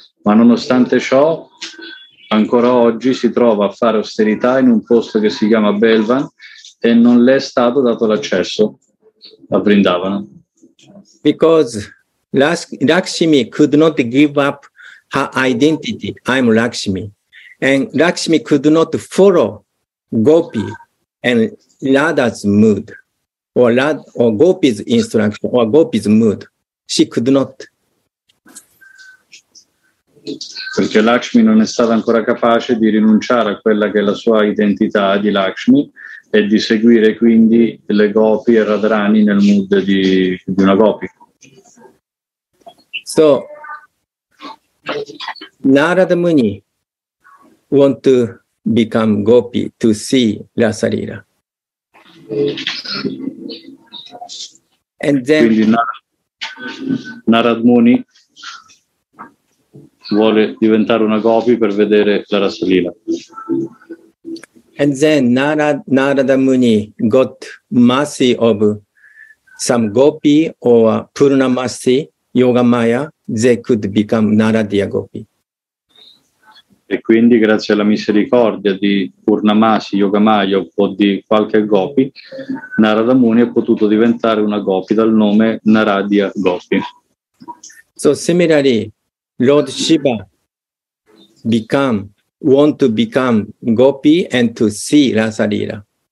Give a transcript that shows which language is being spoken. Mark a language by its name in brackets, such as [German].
[Italian] Ma nonostante ciò, ancora oggi si trova a fare austerità in un posto che si chiama Belvan e non le è stato dato l'accesso a Vrindavana. [English] Because Lakshmi could not give up her identity, I'm Lakshmi, and Lakshmi could not follow Gopi and Radha's mood, or Gopi's instruction, or Gopi's mood. She could not. [Italian] Perché Lakshmi non è stata ancora capace di rinunciare a quella che è la sua identità di Lakshmi e di seguire quindi le Gopi e Radharani nel mood di una Gopi. [English] So Narada Muni want to become Gopi to see Rasa Lila. And then [Italian] quindi Narada Muni vuole diventare una Gopi per vedere la Rasa Lila. [English] And then Narada Muni got mercy of some Gopi or Purnamasi Yoga Maya, they could become Naradiya Gopi. [Italian] E quindi grazie alla misericordia di Purnamasi Yoga Maya o di qualche Gopi, Narada Muni è potuto diventare una Gopi dal nome Naradiya Gopi. [English] So similarly, Lord Shiva want to become Gopi and to see Rasa Lila.